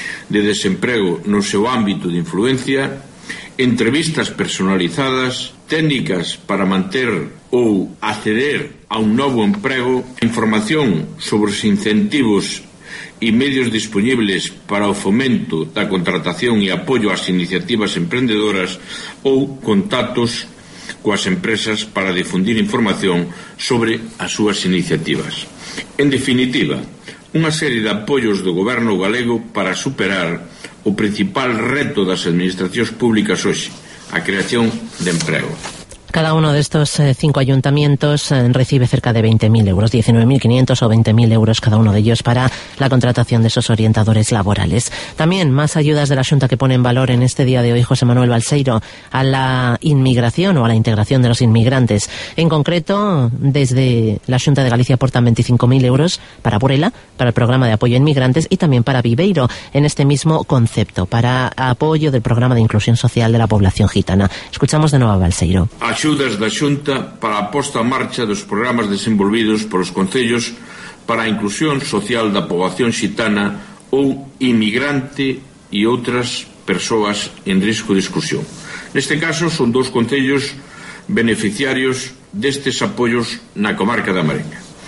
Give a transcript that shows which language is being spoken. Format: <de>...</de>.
<gl>de desemprego no seu ámbito de influencia, entrevistas personalizadas, técnicas para manter ou acceder a un novo emprego, información sobre os incentivos e medios disponibles para o fomento da contratación e apoio ás iniciativas emprendedoras, ou contactos coas empresas para difundir información sobre as súas iniciativas. En definitiva, unha serie de apoios do goberno galego para superar o principal reto das administracións públicas hoxe, a creación de emprego.</gl> <es>cada uno de estos cinco ayuntamientos recibe cerca de 20.000 euros, 19.500 o 20.000 euros cada uno de ellos para la contratación de esos orientadores laborales. También más ayudas de la Xunta que pone en valor en este día de hoy José Manuel Balseiro a la inmigración o a la integración de los inmigrantes. En concreto, desde la Xunta de Galicia aportan 25.000 euros para Burela, para el programa de apoyo a inmigrantes y también para Viveiro, en este mismo concepto, para apoyo del programa de inclusión social de la población gitana. Escuchamos de nuevo a Balseiro.</es> <gl>Axudas da Xunta para a posta en marcha dos programas desenvolvidos polos concellos para a inclusión social da poboación xitana ou inmigrante e outras persoas en risco de exclusión. Neste caso, son dous concellos beneficiarios destes apoios na comarca da Mareña.</gl>